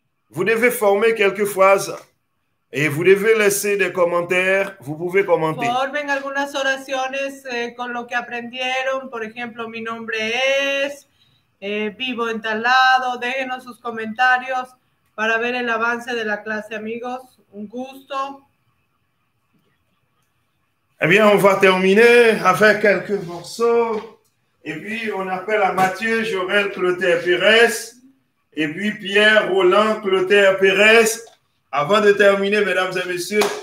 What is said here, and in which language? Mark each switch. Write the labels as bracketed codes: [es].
[fr] Vous devez former quelques phrases et vous devez laisser des commentaires. Vous pouvez commenter. [es] Formen algunas oraciones con lo que aprendieron. Por ejemplo, mi nombre es, vivo en tal lado. Déjenos sus comentarios para ver el avance de la clase, amigos. Un gusto. [fr] Eh bien, on va terminer avec quelques morceaux. Et puis, on appelle à Mathieu, Joël, Clotaire, Pérez. Et puis, Pierre, Roland, Clotaire, Pérez. Avant de terminer, mesdames et messieurs.